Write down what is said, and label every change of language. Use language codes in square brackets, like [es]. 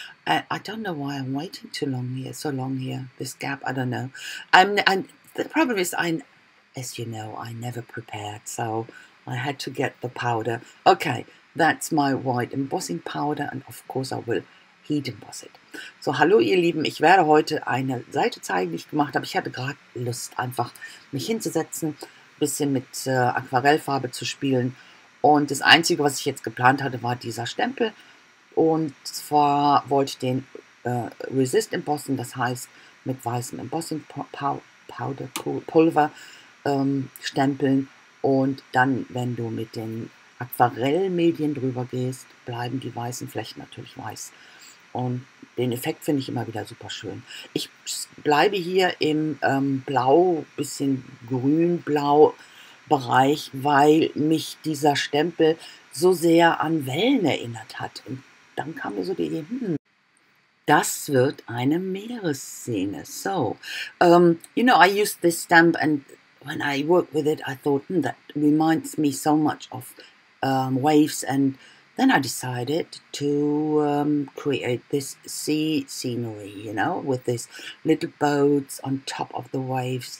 [en] I don't know why I'm waiting too long here, so long here, this gap, I don't know. And the problem is, as you know, I never prepared, so I had to get the powder. Okay, that's my white embossing powder, and of course I will heat emboss it. [de] So, hallo ihr Lieben, ich werde heute eine Seite zeigen, die ich gemacht habe. Ich hatte gerade Lust, einfach mich hinzusetzen, ein bisschen mit Aquarellfarbe zu spielen. Und das Einzige, was ich jetzt geplant hatte, war dieser Stempel. Und zwar wollte ich den Resist embossen, das heißt mit weißem Embossing Powder, Pulver stempeln. Und dann, wenn du mit den Aquarellmedien drüber gehst, bleiben die weißen Flächen natürlich weiß. Und den Effekt finde ich immer wieder super schön. Ich bleibe hier im Blau, bisschen Grün-Blau-Bereich, weil mich dieser Stempel so sehr an Wellen erinnert hat. Und dann kam mir so die Idee, das wird eine Meeresszene. [en] So, you know, I used this stamp and when I worked with it, I thought, that reminds me so much of waves. And then I decided to create this sea scenery, you know, with these little boats on top of the waves.